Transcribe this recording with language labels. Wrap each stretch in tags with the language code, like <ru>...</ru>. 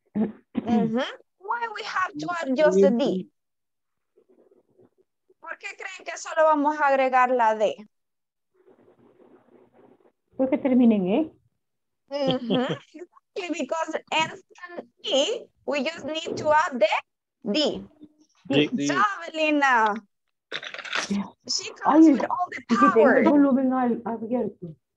<en>Why we have to add just the D?</en> <es>¿Por qué creen que solo vamos a agregar la D? Porque termina en E.</es> <en>Exactly, because N and E, we just need to add the D. Javelina. She comes with all the power.</en> <es>Que tengo el volumen abierto.</es>